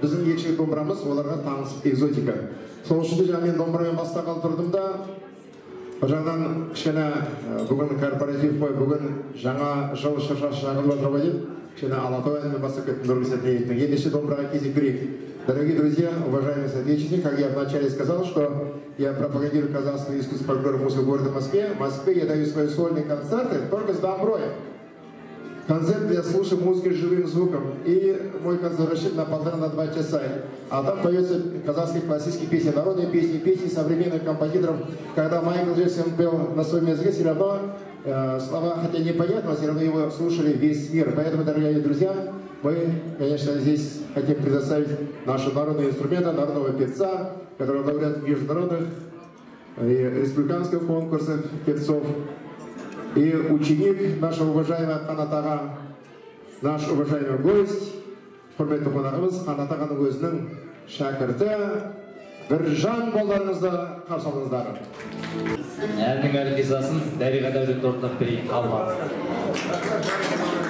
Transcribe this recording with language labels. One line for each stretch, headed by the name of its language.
Kazakh: Біздің елшілік домбырамыз оларға таңсық экзотика. Сол үшін де жаңа мен домбырамен баста қалып тұрдым да, бір жағынан кішкене бүгін корпоратив қой, бүгін жаңа жыл шыршасы шағырылып жатыр ғой деп кішкене алатау әнімен бастап кеттім. Нұрлы сәттіліктің ендеше домбыраға кезек берейік.
Russian: Дорогие друзья, уважаемые соотечественники, как я вначале сказал, что я пропагандирую казахский искусство фольклор музыку города Москве. В Москве я даю свои сольные концерты только с домброй. Концерт я слушаю музыки с живым звуком. И мой концерт рассчитан на 1.5-2 часа. А там поются казахские классические песни, народные песни, песни современных композиторов. Когда Майкл Джексон пел на своем языке, все равно слова, хотя непонятно, все равно его слушали весь мир. Поэтому, дорогие друзья, мы, конечно, здесь хотим предоставить наши народные инструменты, народного певца, которого говорят в международных и республиканских конкурсах певцов. И ученик нашего уважаемого Қанат аға, наш уважаемый гость,
Kazakh: құрметті қонағымыз, Қанат ағаның өзінің шәкірті Біржан болдарыңызды қарсы алыңыздар. Әннің әлқисасын Дариға Дәулет орындап берейін, қалмаңыздар.